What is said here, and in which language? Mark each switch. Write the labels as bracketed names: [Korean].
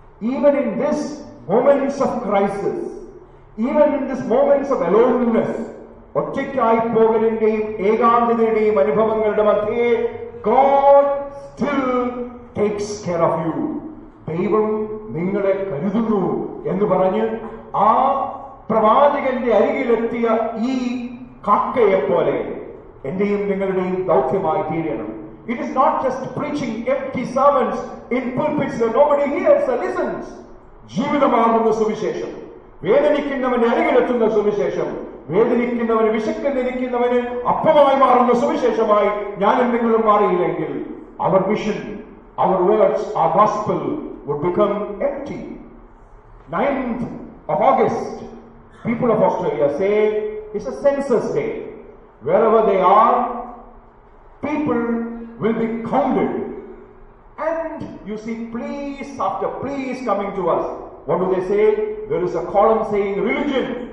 [English] Even in this moments of crisis, even in this moments of aloneness, [Malayalam] ഒറ്റയ്ക്കായി പോകലിന്റെയും ഏകാന്തതയുടെയും അനുഭവങ്ങളുടെ മധ്യേ [English] God still takes care of you. [Malayalam] ദൈവം നിങ്ങളെ കരുതുന്നു എന്ന് പറഞ്ഞ് ആ പ്രവാചകന്റെ അരികിലെത്തിയ ഈ കാക്കയെപ്പോലെ എന്റെയും നിങ്ങളുടെയും ദൗത്യമായി തീരണം. [English] It is not just preaching empty sermons in pulpits where nobody hears or listens. [Malayalam] ജീവിതമാകുന്ന സുവിശേഷം, വേദനിക്കുന്നവന് അരികിലെത്തുന്ന സുവിശേഷം, വേദനിക്കുന്നവന് വിശക്കുന്നിരിക്കുന്നവന് അപ്പമായി മാറുന്ന സുവിശേഷമായി ഞാനും നിങ്ങളും മാറിയില്ലെങ്കിൽ [English] അവർ മിഷൻ, അവർ വേർഡ്സ്, ആ gospel would become empty. 9th of August, people of Australia say it's a census day. Wherever they are, people will be counted. And you see, please after please coming to us. What do they say? There is a column saying religion.